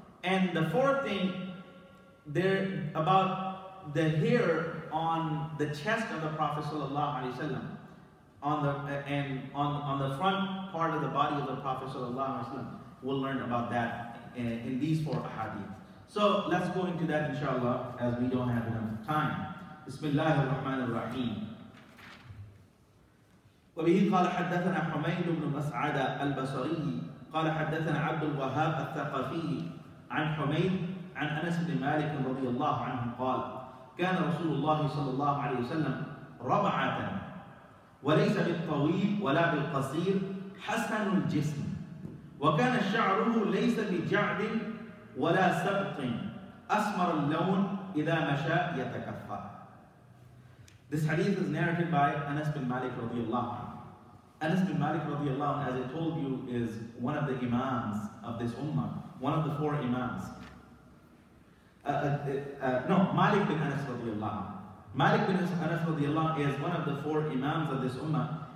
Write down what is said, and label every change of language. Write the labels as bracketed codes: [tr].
[en] And the fourth thing, there about the hair on the chest of the Prophet ﷺ, on the front part of the body of the Prophet ﷺ. We'll learn about that in these four ahadith. So let's go into that, inshallah, as we don't have enough time. [ar] Bismillah ar-Rahman ar-Rahim. وبه قال حدثنا حميد بن مسعدة البصري قال حدثنا عبد الوهاب الثقفي عن حميد عن أنس بن مالك رضي الله عنه قال كان رسول الله صلى الله عليه وسلم ربعة وليس بالطويل ولا بالقصير حسن الجسم وكان شعره ليس بجعد ولا سبط أسمر اللون إذا مشى يتكفى. [en] This hadith is narrated by Anas bin Malik radiallahu anhu. Anas bin Malik radiallahu anhu, as I told you, is one of the imams of this ummah, one of the four imams. Malik bin Anas radiallahu anhu. Malik bin Anas radiallahu anhu is one of the four imams of this ummah.